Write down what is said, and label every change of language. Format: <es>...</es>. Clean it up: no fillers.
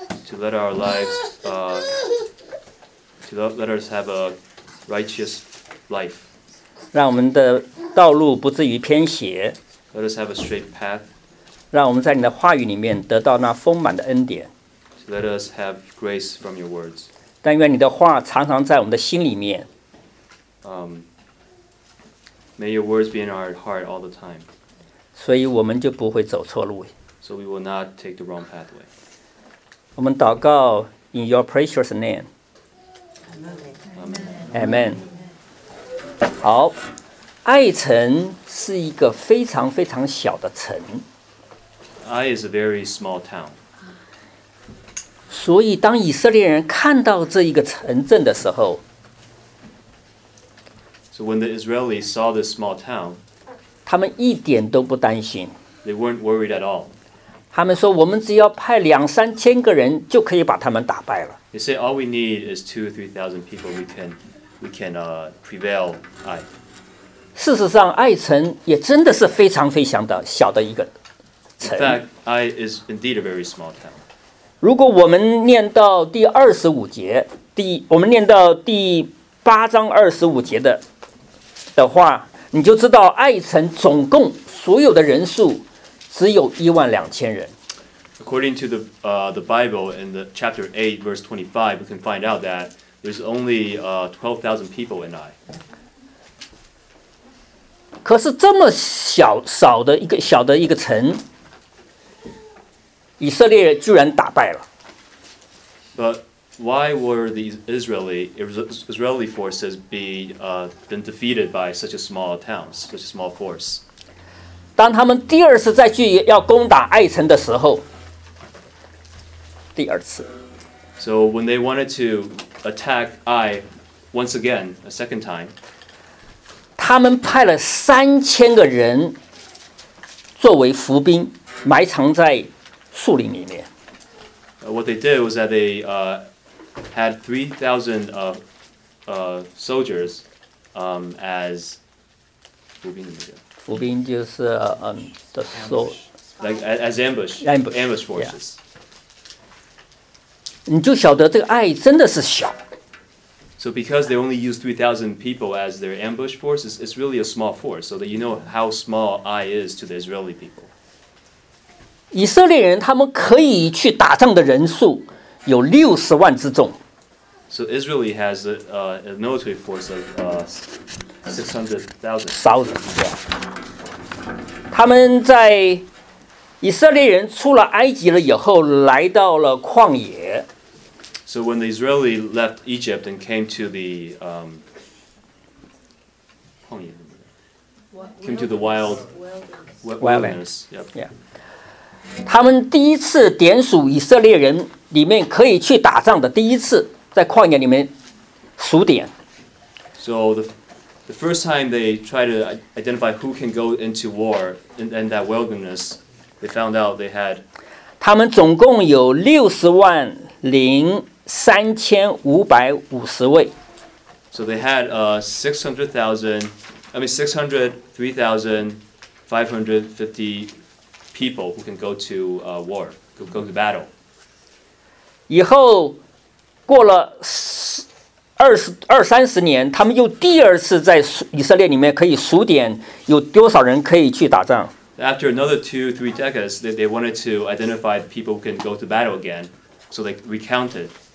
<en>To let our lives, to let us have a righteous life.</en> <zh>让我们的道路不至于偏斜。</zh> <en>Let us have a straight path.</en> <zh>让我们在你的话语里面得到那丰满的恩典。</zh> <en>Let us have grace from your words.</en> <zh>但愿你的话常常在我们的心里面。</zh> <en>May your words be in our heart all the time.</en> <zh>所以我们就不会走错路。</zh> <en>So we will not take the wrong pathway.</en> <zh>我们祷告</zh> <en>in your precious name. Amen. Amen. Amen.</en> <zh>好，爱城是一个非常非常小的城。</zh> <en>Ai is a very small town.</en> <zh>所以当以色列人看到这一个城镇的时候，</zh> <en>So when the Israelis saw this small town,</en> <zh>他们一点都不担心。</zh> <en>They weren't worried at all.</en> <zh>他们说我们只要派两三千个人就可以把他们打败了。</zh> <en>They say all we need is 2,000 or 3,000 people, we can prevail Ai.</en> <zh>事实上爱城也真的是非常非常的小的一个。</zh> <en>In fact, Ai is indeed a very small town.</en> <zh>如果我们念到第二十五节，我们念到第八章二十五节的话，你就知道爱城总共所有的人数只有一万两千人。</zh> <en>According to the Bible in the chapter 8, verse 25, we can find out that there's only 12,000 people in Ai.</en> <zh>可是这么小少的一个小的一个城。以色列人居然打败了。</zh> <en>But why were the Israeli forces been defeated by such a small town, such a small force?</en> <zh>当他们第二次再去要攻打爱城的时候，第二次。</zh> <en>So when they wanted to attack Ai once again, a second time,</en> <zh>他们派了三千个人作为伏兵，埋藏在。树林里面。</zh> <en>What they did was that they had 3,000 soldiers as</en> <zh>伏兵里面。伏兵就是的守。</zh> <en>Like as ambush. Ambush forces. Yeah.</en> <zh>你就晓得这个爱真的是小。</zh> <en>So because they only use 3,000 people as their ambush force, it's really a small force, so that you know how small Ai is to the Israeli people.</en> <zh>以色列人他们可以去打仗的人数有60万之众。</zh> <en>So Israel has a military force of 600,000. Thousand, yeah.</en> <zh>他们在以色列人出了埃及了以后来到了旷野。</zh> <en>So when the Israeli left Egypt and came to the</en> <zh>旷野</zh> <en>came to the wild wilderness. Yep. Yeah.</en> <zh>他们第一次点数以色列人里面可以去打仗的第一次在旷野里面数点。</zh> <en>So the first time they tried to identify who can go into war in that wilderness, they found out they had.</en> <zh>他们总共有603,550位。</zh> <en>So they had 603,550 people who can go to war, go to battle.</en> <zh>以后过了二三十年，他们又第二次在以色列里面可以数点有多少人可以去打仗。</zh> <en>After another 2-3 decades, they wanted to identify people who can go to battle again, so they recounted.</en>